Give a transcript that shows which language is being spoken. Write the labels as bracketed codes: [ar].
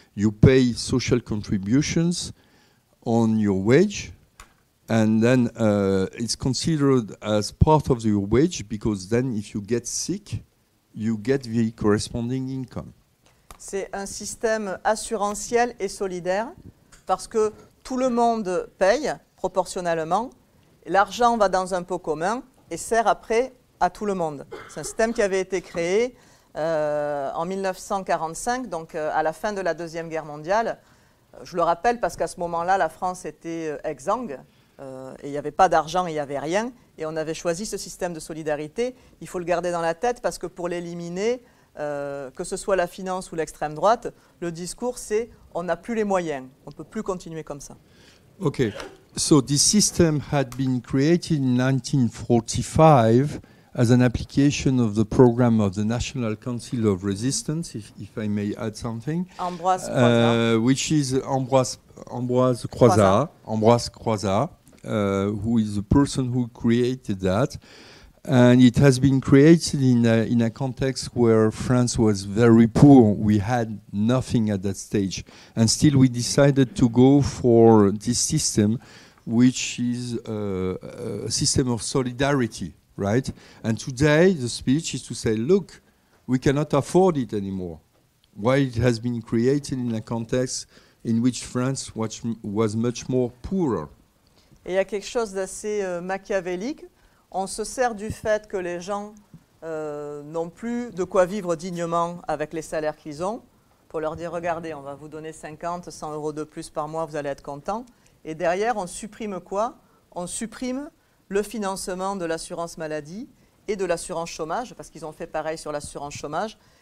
[en] You pay social contributions on your wage, and then it's considered as part of your wage because then if you get sick, you get the corresponding income. [fr] C'est un système assurantiel et solidaire parce que tout le monde paye proportionnellement, l'argent va dans un pot commun et sert après à tout le monde. C'est un système qui avait été créé en 1945, donc à la fin de la Deuxième Guerre mondiale. Je le rappelle parce qu'à ce moment-là, la France était exsangue. Et il n'y avait pas d'argent, il n'y avait rien, et on avait choisi ce système de solidarité. Il faut le garder dans la tête parce que pour l'éliminer, que ce soit la finance ou l'extrême droite, le discours c'est on n'a plus les moyens, on ne peut plus continuer comme ça. [en] Ok, so this system had been created in 1945 as an application of the program of the National Council of Resistance, if I may add something. Ambroise Croizat. Which is Ambroise Croizat. Who is the person who created that. And it has been created in a context where France was very poor. We had nothing at that stage. And still we decided to go for this system, which is a system of solidarity, right? And today the speech is to say, look, we cannot afford it anymore. Why it has been created in a context in which France was much more poorer. [fr] Et il y a quelque chose d'assez machiavélique. On se sert du fait que les gens n'ont plus de quoi vivre dignement avec les salaires qu'ils ont pour leur dire, regardez, on va vous donner 50, 100 euros de plus par mois, vous allez être contents. Et derrière, on supprime quoi? On supprime le financement de l'assurance maladie et de l'assurance chômage, parce qu'ils ont fait pareil sur l'assurance chômage.